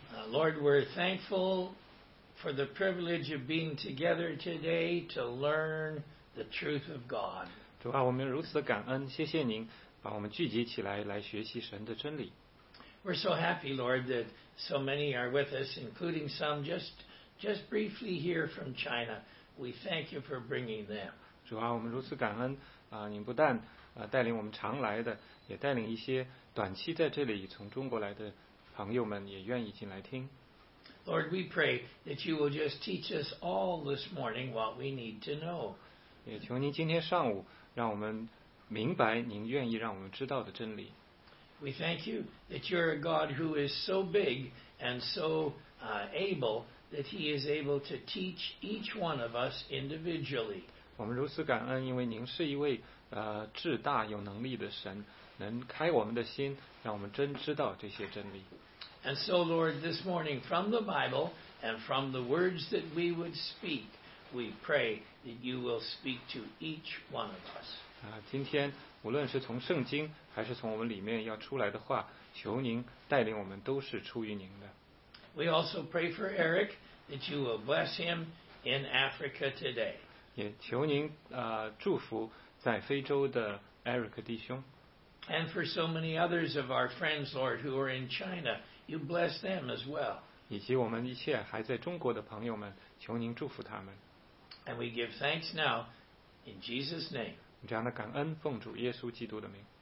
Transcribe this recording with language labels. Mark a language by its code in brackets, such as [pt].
[en] Lord, we're thankful for the privilege of being together today to learn the truth of God. [zh] 主啊，我们如此感恩，谢谢您把我们聚集起来，来学习神的真理。 [en] We're so happy, Lord, that so many are with us, including some just briefly here from China. We thank you for bringing them. [zh] 主啊，我们如此感恩啊，您不但带领我们常来的，也带领一些短期在这里从中国来的朋友们也愿意进来听。 [en] Lord, we pray that you will just teach us all this morning what we need to know. [zh] 也求您今天上午让我们明白您愿意让我们知道的真理。 [en] We thank you that you're a God who is so big and so able that he is able to teach each one of us individually. [zh] 我们如此感恩，因为您是一位至大有能力的神，能开我们的心，让我们真知道这些真理。 [en] And so, Lord, this morning from the Bible and from the words that we would speak, we pray that you will speak to each one of us. [zh] 今天无论是从圣经还是从我们里面要出来的话，求您带领我们都是出于您的。 [en] We also pray for Eric that you will bless him in Africa today. [zh] 也求您祝福在非洲的 Eric 弟兄。 [en] And for so many others of our friends, Lord, who are in China, you bless them as well. [zh] 以及我们一切还在中国的朋友们，求您祝福他们。 [en] And we give thanks now in Jesus' name. [zh] 这样的感恩，奉主耶稣基督的名。